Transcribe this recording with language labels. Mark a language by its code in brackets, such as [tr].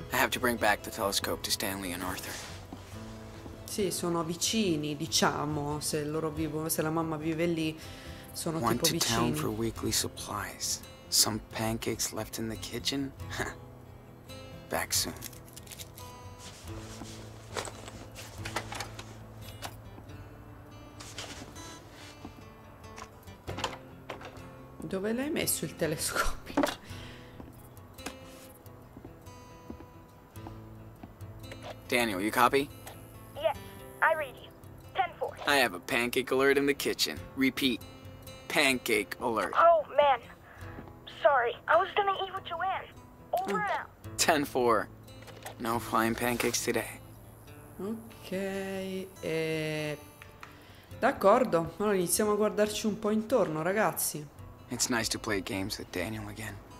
[en] I have to bring back the telescope to Stanley and Arthur. [it] Sì, sono vicini, diciamo, se loro vivono, se la mamma vive lì, sono [en] Want [it] tipo [en] to [it] vicini. [en] Town for weekly supplies. Some pancakes left in the kitchen. Back soon. [it] Dove l'hai messo il telescopio? [en] Daniel, you copy? Yes, I read you. 10-4. I have a pancake alert in the kitchen. Repeat. Pancake alert. Oh, man. Sorry. I was gonna eat with Joanne. Over and out. 10-4. No flying pancakes today. [it] Okay. D'accordo. Allora iniziamo a guardarci un po' intorno, ragazzi. [en] It's nice to play games with Daniel again.